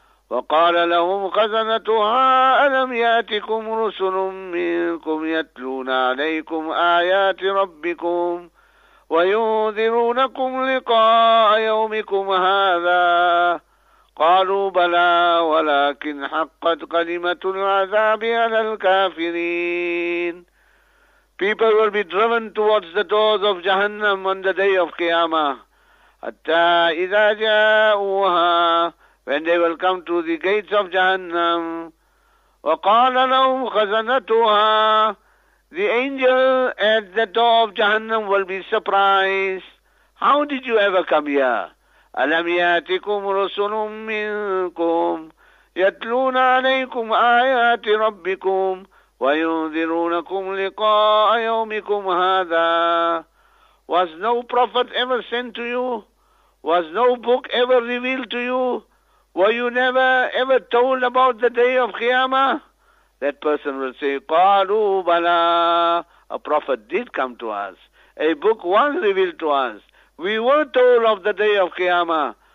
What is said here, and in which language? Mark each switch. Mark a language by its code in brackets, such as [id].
[ar] وَقَالَ لَهُمْ خَزَنَتُهَا أَلَمْ يَأْتِكُمْ رُسُلٌ مِّنْكُمْ يَتْلُونَ عَلَيْكُمْ آيَاتِ رَبِّكُمْ وَيُنذِرُونَكُمْ لِقَاءَ يَوْمِكُمْ هَذَا قَالُوا بَلَى وَلَكِنْ حَقَّتْ كَلِمَةُ الْعَذَابِ عَلَى الْكَافِرِينَ [en] People will be driven towards the doors of Jahannam on the day of Qiyamah. [ar] حَتَّى إِذَا جَاءُوهَا [en] When they will come to the gates of Jahannam, [ar] وَقَالَ لَهُمْ خَزَنَتُهَا [en] The angel at the door of Jahannam will be surprised. How did you ever come here? [ar] أَلَمْ يَأْتِكُمْ رُسُلٌ مِّنْكُمْ يَتْلُونَ عَلَيْكُمْ آيَاتِ رَبِّكُمْ وَيُنذِرُونَكُمْ لِقَاءَ يَوْمِكُمْ هَذَا [en] Was no prophet ever sent to you? Was no book ever revealed to you? Were you never ever told about the day of Qiyamah? That person will say, Qalu bala. A prophet did come to us. A book was revealed to us. We were told of the day of Qiyamah.